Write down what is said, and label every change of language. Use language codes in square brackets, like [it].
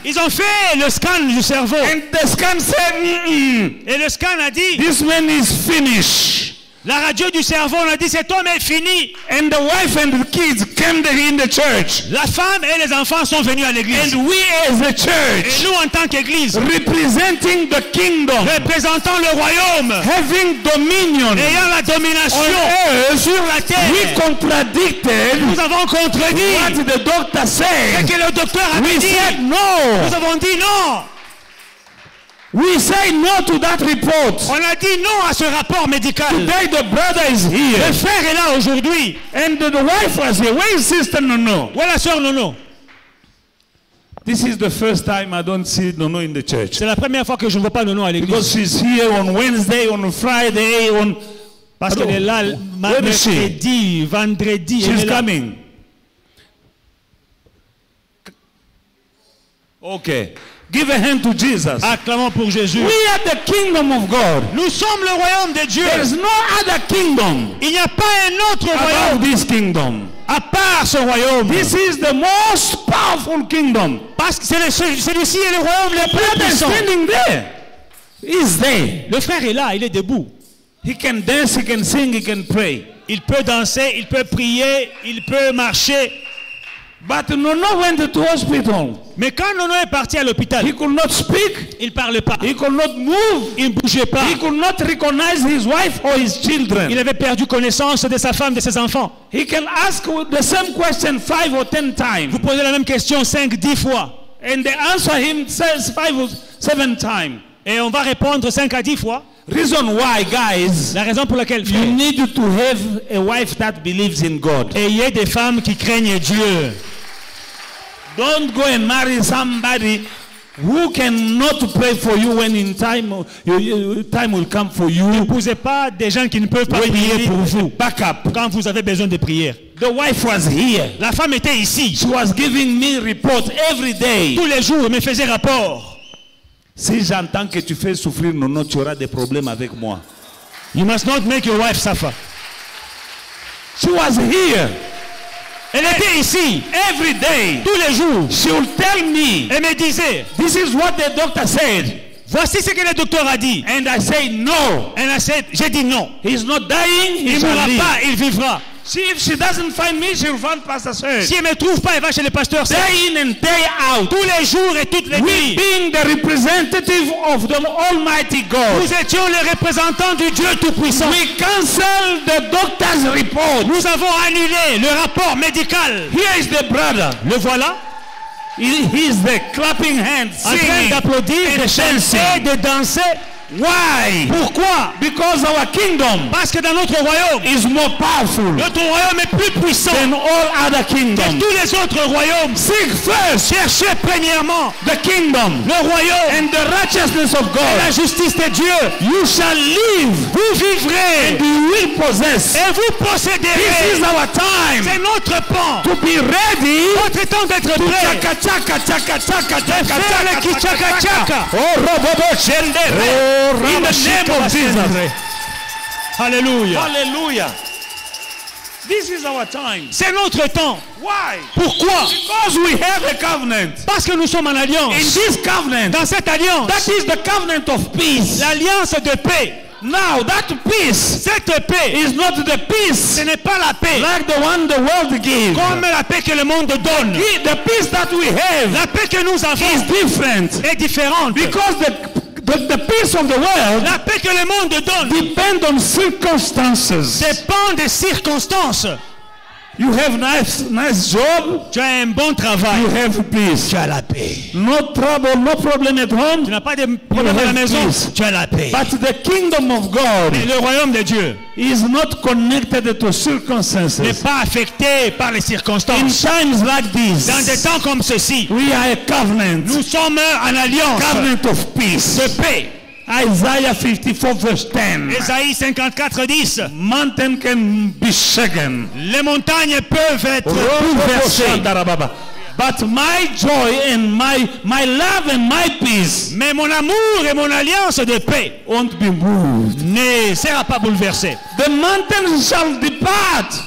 [fr] Ils ont fait le scan du cerveau. [en] And the scan said, [fr] et le scan a dit, [en] this man is finished. [fr] La radio du cerveau a dit, cet homme est fini. [en] And the wife and the kids came in the church. [fr] La femme et les enfants sont venus à l'église. [en] And we as a church, [fr] et nous en tant qu'église, [en] representing the kingdom, [fr] représentant le royaume, [en] having dominion, [fr] ayant la domination [en] on earth, [fr] sur la terre, [en] we contradicted, [fr] nous avons contredit [en] what the doctor said, [fr] ce que le docteur a [en] we [fr] dit. [en] Said no. [fr] Nous avons dit non. [en] We say no to that report. [fr] On a dit non à ce rapport médical. [en] Today the brother is here. [fr] Le frère est là aujourd'hui. [en] And the wife was here. Where is sister Nono? [fr] Où est la sœur Nono? [en] This is the first time I don't see Nono in the church. [fr] C'est la première fois que je ne vois pas Nono à l'église. [en] Because she's here on Wednesday, on Friday, on. [fr] Parce qu'elle est là mercredi, vendredi. [en] She's coming. Okay. Give a hand to Jesus. [fr] Acclamons pour Jésus. [en] We are the kingdom of God. [fr] Nous sommes le royaume de Dieu. [en] There is no other kingdom. [fr] Il n'y a pas un autre royaume. [en] About this kingdom. [fr] À part ce royaume. [en] This is the most powerful kingdom. [fr] Parce que celui-ci est le royaume le plus puissant. [en] The brother is standing there. He's there. [fr] Le frère est là, il est debout. [en] He can dance, he can sing, he can pray. [fr] Il peut danser, il peut prier, il peut marcher. [en] But Nono went to hospital. [fr] Mais quand Nono est parti à l'hôpital, [en] he could not speak. [fr] Il parlait pas. [en] He could not move. [fr] Il bougeait pas. [en] He could not recognize his wife or his children. [fr] Il avait perdu connaissance de sa femme, de ses enfants. [en] He can ask the same question 5 or 10 times. [fr] Vous posez la même question 5-10 fois. [en] And they answer him 5 or 7 times. [fr] Et on va répondre 5 à 10 fois. [en] Reason why, guys, [fr] la raison pour laquelle, [en] frère, you need to have a wife that believes in God. [fr] Ayez des femmes qui craignent Dieu. [en] Don't go and marry somebody who cannot pray for you when in time will come for you. [fr] N'épousez pas des gens qui ne peuvent pas prier pour vous. [en] Back up. [fr] Quand vous avez besoin de prière. [en] The wife was here. [fr] La femme était ici. [en] She was giving me report every day. [fr] Tous les jours, elle me faisait rapport. Si j'entends que tu fais souffrir Nono, tu auras des problèmes avec moi. [en] You must not make your wife suffer. She was here. [fr] Elle était ici. [en] Every day. [fr] Tous les jours. [en] She would tell me. [fr] Elle me disait. [en] This is what the doctor said. [fr] Voici ce que le docteur a dit. [en] And I said no. And I said, [fr] j'ai dit non. [en] He's not dying. [fr] Il ne mourra pas. Il vivra. [en] See, if she doesn't find me, she'll find Pastor Serge. [fr] Si elle me trouve pas, elle va chez le pasteur Serge. [en] Day in and day out. [fr] Tous les jours et toutes les nuits. [en] We being the representative of the Almighty God. [fr] Nous étions les représentants du Dieu Tout-Puissant. [en] We cancel the doctor's report. [fr] Nous avons annulé le rapport médical. [en] Here is the brother. [fr] Le voilà. [en] He's the clapping hands, [fr] en train d'applaudir, de chanter, de danser. [en] Why? [fr] Pourquoi? [en] Because our kingdom, [fr] parce que dans notre royaume, [en] is more powerful. [fr] Notre royaume est plus puissant [en] than all other kingdoms. [fr] Que tous les autres royaumes. [en] Seek first, [fr] cherchez premièrement [en] the kingdom, [fr] le royaume, [en] and the righteousness of God, [fr] et la justice de Dieu. [en] You shall live, [fr] vous vivrez, [en] and you will possess, [fr] et vous posséderez. [en] This is our time, [fr] c'est notre temps. [en] To be ready, [fr] votre temps d'être prêt. Chaka chaka chaka chaka chaka chaka chaka chaka chaka. Oh robobo chendere. [en] In the name of Jesus. Hallelujah. Hallelujah. This is our time. [fr] C'est notre temps. [en] Why? [fr] Pourquoi? [en] Because we have a covenant. [fr] Parce que nous sommes en alliance. [en] In this covenant. [fr] Dans cette alliance. [en] That is the covenant of peace. [fr] L'alliance de paix. [en] Now that peace, [fr] cette paix, [en] is not the peace, [fr] ce n'est pas la paix, [en] like the one the world gives, [fr] comme la paix que le monde donne. [en] The peace that we have, [fr] la paix que nous avons, [en] is different, [fr] est différente, [en] because the peace of the world, [fr] la paix que le monde donne, [en] depend on circumstances, [fr] dépend des circonstances. [en] You have nice job. [fr] Tu as un bon travail. [en] You have peace. [fr] Tu as la paix. [en] No trouble, no problem at home. [fr] Tu n'as pas de problème à la maison. [en] Peace. [fr] Tu as la paix. [en] But the kingdom of God, [fr] mais le royaume de Dieu, [en] is not connected to circumstances. [fr] N'est pas affecté par les circonstances. [en] In times like this, [fr] dans des temps comme ceci, [en] we are a covenant. [fr] Nous sommes en alliance. [en] Covenant of peace. [fr] De paix. [en] Isaiah 54 verse 10. [fr] Ésaïe 54 10. [en] Mountain can be shaken. [fr] Les montagnes peuvent être bouleversées. [en] But my joy and my love and my peace, [fr] mais mon amour et mon alliance de paix, [en] won't be moved. [fr] Ne sera pas bouleversé. [en] The mountains shall depart.